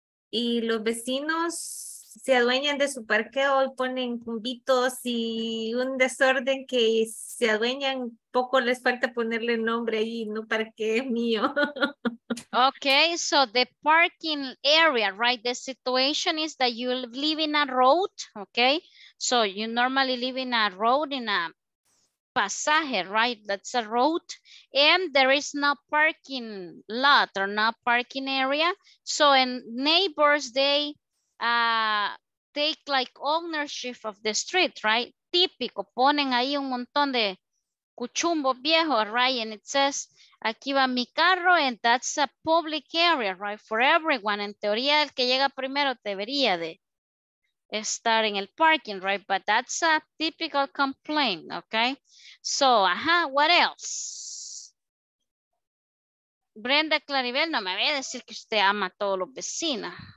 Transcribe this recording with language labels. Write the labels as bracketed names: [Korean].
[Spanish] Y los vecinos se adueñan de su parqueo y ponen cubitos y un desorden que se adueñan. Poco les falta ponerle nombre ahí, no parqueo mío. [English] Okay, so the parking area, right? The situation is that you live in a road, okay? So you normally live in a road, in a pasaje, right? That's a road. And there is no parking lot or no parking area. So and neighbors, they take like ownership of the street, right? [Spanish] Típico, ponen ahí un montón de cuchumbo viejo, right? [English] And it says, aquí va mi carro, and that's a public area, right? For everyone. [Spanish] En teoría, el que llega primero debería de estar en el parking, right? [English] But that's a typical complaint, okay? So, what else? [Spanish] Brenda Claribel, no me voy a decir que usted ama a todos los vecinos.